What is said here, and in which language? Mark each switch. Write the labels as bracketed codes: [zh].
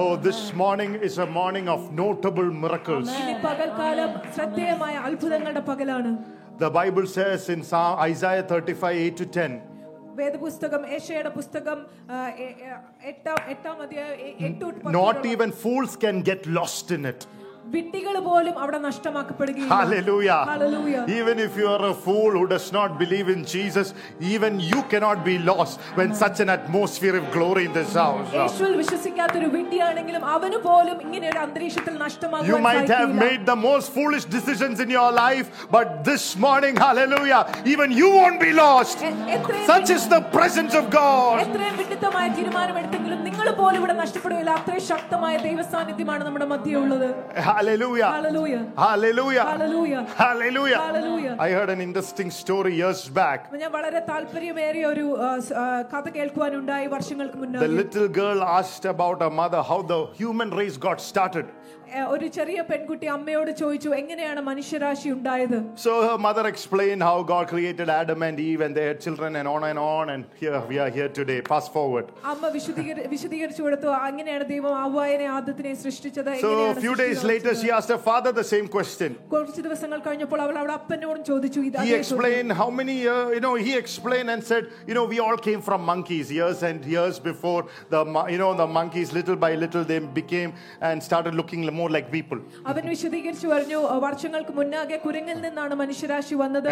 [en] Oh, this morning is a morning of notable miracles. The Bible says in Isaiah 35:8-10. Not even fools can get lost in it. [ml] വിട്ടികള് പോലും അവിടെ നഷ്ടമാക്കപ്പെടുകയാണ്. [en] Hallelujah. Even if you are a fool who does not believe in Jesus, even you cannot be lost when such an atmosphere of glory in this house. [ml] യേശുവിൽ വിശ്വസിക്കാത്ത ഒരു വിട്ടിയാണെങ്കിലും അവനു പോലും ഇങ്ങനെ ഒരു അന്തരീക്ഷത്തിൽ നഷ്ടമാകാൻ [en] You might have made the most foolish decisions in your life, but this morning, hallelujah, even you won't be lost. Such is the presence of God. [ml] എത്രയും വിട്ടിത്തമായ തീരുമാനമെടുത്തെങ്കിലും നിങ്ങൾ പോലും ഇവിടെ നഷ്ടപ്പെടുകയില്ല. അത്രയും ശക്തമായ ദൈവസാന്നിധ്യമാണ് നമ്മുടെ മധ്യേയുള്ളത്. [en] Hallelujah. Hallelujah. Hallelujah. Hallelujah. Hallelujah. Hallelujah. I heard an interesting story years back. [ml] ഞാൻ വളരെ താൽപര്യമേറിയ ഒരു കഥ കേൾക്കുവാൻ ഉണ്ടായി വർഷങ്ങൾക്ക് മുന്നേ. [en] The little girl asked about her mother how the human race got started. [ml] ഒരു ചെറിയ പെൺകുട്ടി അമ്മയോട് ചോദിച്ചു എങ്ങനെയാണ് മനുഷ്യരാശി ഉണ്ടായത്. [en] So her mother explained how God created Adam and Eve and their children and on, and here we are here today. Fast forward. [ml] അമ്മ വിശദീകരിച്ചു കൊടുത്തു അങ്ങനെയാണ് ദൈവം ആദായനെ ആദ്യത്തെ സൃഷ്ടിച്ചത്. [en] So a few days later she asked her father the same question. [ml] കുറച്ച് ദിവസങ്ങൾ കഴിഞ്ഞപ്പോൾ അവൾ അവളുടെ അപ്പനോട് ചോദിച്ചു ഇത്. [en] He explained how many he explained and said, you know, we all came from monkeys years and years before the monkeys little by little they became and started looking more like people. [ml] അവന് വിശദീകരിച്ചു പറഞ്ഞു വർഷങ്ങൾക്ക് മുന്നാകെ കുരങ്ങിൽ നിന്നാണ് മനുഷ്യരാശി വന്നത്.